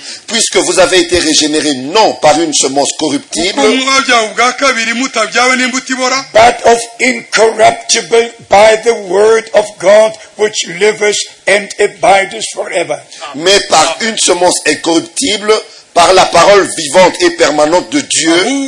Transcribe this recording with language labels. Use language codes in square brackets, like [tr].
[fr] Puisque vous avez été régénéré, non par une semence corruptible, [en] but of incorruptible by the word of God which liveth and abideth forever. [fr] Mais par une semence incorruptible, par la parole vivante et permanente de Dieu,